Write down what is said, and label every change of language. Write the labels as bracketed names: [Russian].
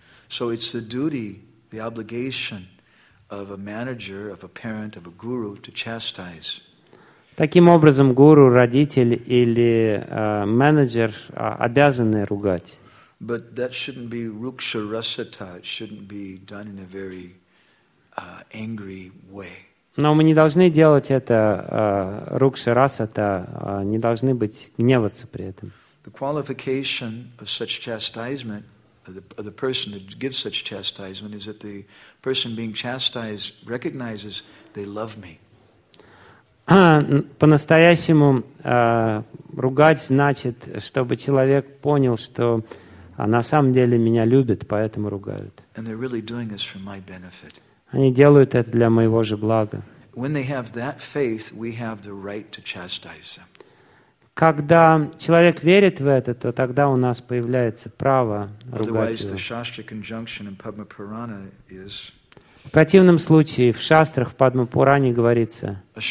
[English] So it's the duty, the obligation of a manager, of a parent, of a guru to chastise. [Russian] Таким образом, гуру, родитель или менеджер обязаны ругать. [English] But that shouldn't be ruksha rasata. It shouldn't be done in a very angry way. [Russian] Но мы не должны делать это рукша расата, не должны быть гневаться при этом. [English] The qualification of such chastisement, the person who gives such chastisement, is that the person being chastised recognizes they love me. [Russian] По-настоящему ругать значит, чтобы человек понял, что на самом деле меня любят, поэтому ругают. [English] And they're really doing this for my benefit. [Russian] Они делают это для моего же блага. [English] When they have that faith, we have the right to chastise them. [Russian] Когда человек верит в это, то тогда у нас появляется право ругать его. В противном случае в шастрах, в Падмапуране говорится.